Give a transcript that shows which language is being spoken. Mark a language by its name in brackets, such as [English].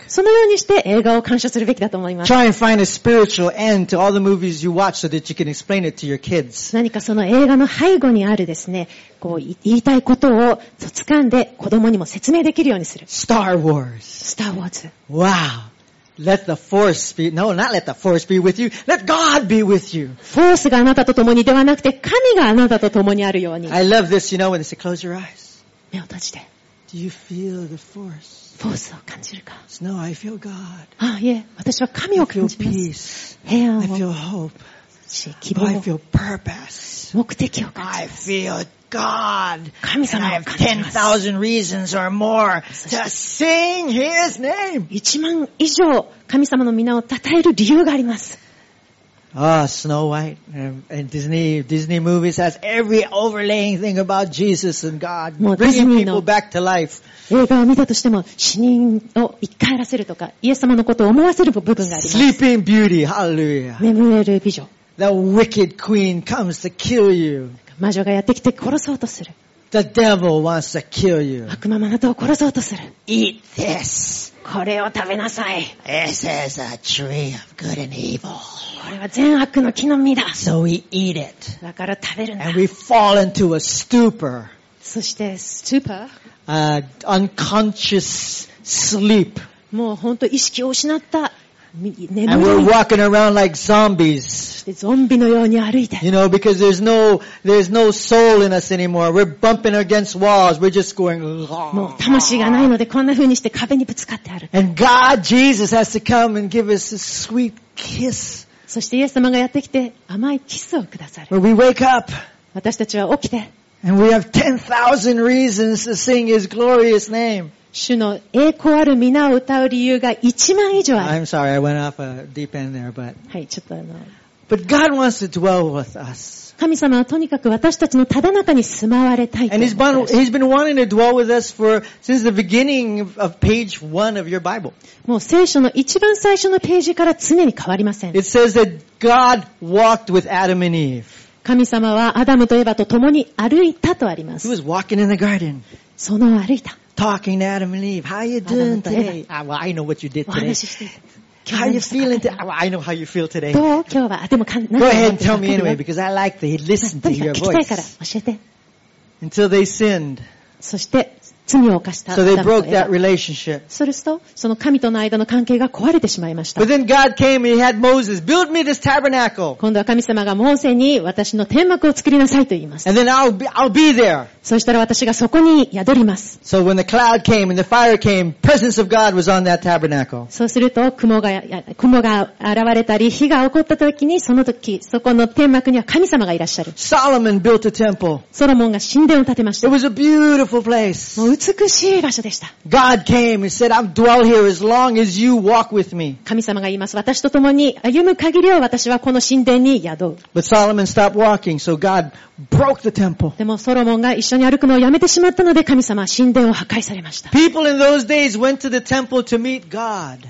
[Japanese] そのようにして映画を鑑賞するべきだと思います。 [English] Try and find a spiritual end to all the movies you watch so that you can explain it to your kids. [Japanese] 何かその映画の背後にあるですね、こう言いたいことを掴んで子供にも説明できるようにする。 [English] Star Wars. Star Wars. Wow. Let the force be, no, not let the force be with you. Let God be with you. [Japanese] フォースがあなたと共にではなくて、神があなたと共にあるように。 [English] I love this, you know, when they say, close your eyes. [Japanese] 目を閉じて。 [English] Do you feel the force? [Japanese] フォースを感じるか。 [English] No, I feel God. [Japanese] ああ、いえ、私は神を感じます。 [English] I feel peace. [Japanese] 平安を。 [English] I feel hope. [Japanese] 希望を。 [English] I feel purpose. [Japanese] 目的を感じます。 [English] I feel God. [Japanese] 神様を感じます。 [English] I have 10,000 reasons or more to sing His name. [Japanese] 1万以上神様の名を称える理由があります。 [English] Ah, Snow White and Disney movies has every overlaying thing about Jesus and God, bringing people back to life. [Japanese] 映画を見たとしても死人を生き返らせるとか、イエス様のことを思わせる部分があります。 [English] Sleeping Beauty, Hallelujah. [Japanese] 眠れる美女。 [English] The wicked queen comes to kill you. [Japanese] 魔女がやってきて殺そうとする。 [English] The devil wants to kill you. [Japanese] 悪魔もあなたを殺そうとする。 [English] Eat this. [Japanese] これを食べなさい。 [English] This is a tree of good and evil. [Japanese] これは善悪の木の実だ。 [English] So we eat it. [Japanese] だから食べるんだ。 [English] And we fall into a stupor. [Japanese] そして stupor? [English] Unconscious sleep. [Japanese] もう本当意識を失った。 [English] And we're walking around like zombies. [Japanese] ゾンビのように歩いて。 [English] You know, because there's no soul in us anymore. We're bumping against walls. We're just going. [Japanese] もう魂がないのでこんな風にして壁にぶつかって歩く。 [English] And God, Jesus has to come and give us a sweet kiss. [Japanese] そしてイエス様がやってきて甘いキスをくださる。 [English] When we wake up. [Japanese] 私たちは起きて。 [English] And we have 10,000 reasons to sing His glorious name. [Japanese] 主の栄光ある皆を歌う理由が1万以上ある。 [English] I'm sorry, I went off a deep end there, but. [Japanese] はい、ちょっと [English] But God wants to dwell with us. [Japanese] 神様はとにかく私たちのただ中に住まわれたいと。 [English] And he's been wanting to dwell with us since the beginning of page one of your Bible. [Japanese] もう聖書の一番最初のページから常に変わりません。 [English] It says that God walked with Adam and Eve. [Japanese] 神様はアダムとエヴァと共に歩いたとあります。 [English] He was walking in the garden. [Japanese] その歩いた。 [English] Talking to Adam and Eve. How you doing today? Well, I know what you did today. How you feeling today? Well, I know how you feel today. Go ahead and tell me anyway, because I like to listen to your voice. Until they sinned. [Japanese] そして罪を犯した。 [English] So they broke that relationship. [Japanese] そうすると、その神との間の関係が壊れてしまいました。 [English] But then God came and he had Moses, build me this tabernacle. [Japanese] 今度は神様がモーセに私の天幕を作りなさいと言います。 [English] And then I'll be there. [Japanese] そしたら私がそこに宿ります。 [English] So when the cloud came and the fire came, presence of God was on that tabernacle. [Japanese] そうすると、雲が現れたり、火が起こった時に、その時、そこの天幕には神様がいらっしゃる。 [English] Solomon built a temple. [Japanese] ソロモンが神殿を建てました。 [English] It was a beautiful place. [Japanese] もう美しい場所でした。 [English] God came and said, I'll dwell here as long as you walk with me. [Japanese] 神様が言います。私と共に歩む限りは私はこの神殿に宿る。 [English] But Solomon stopped walking, so God broke the temple. [Japanese] でもソロモンが一緒に歩くのをやめてしまったので神様は神殿を破壊されました。 [English] People in those days went to the temple to meet God.